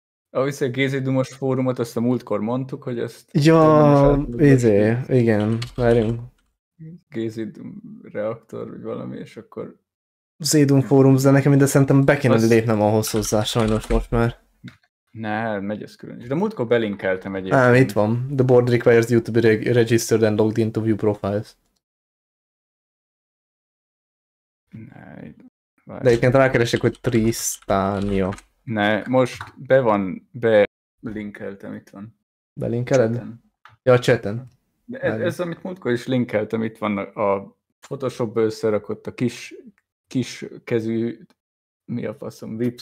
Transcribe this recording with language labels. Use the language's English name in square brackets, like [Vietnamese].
[Hungarian] A viszont Gézi Dumos fórumot, azt a múltkor mondtuk, hogy ezt... Ja, igen, várjunk. Gézi Dum reaktor, vagy valami, és akkor... Zédum fórum, de nekem ide szerintem be kéne lépnem ahhoz hozzá, sajnos most már. Ne, megy ez külön is. De múltkor belinkeltem egyébként. Nem, itt van. [English] The board requires you to be registered and logged into view profiles. [Hungarian] Ne, de egyébként rákeresek, hogy Tristania. Ne, most belinkeltem, itt van. Belinkeled? Ja, a chaten. Ez, amit múltkor is linkeltem, itt van a Photoshop-ba összerakott a kis kezű, mi a faszom, vips.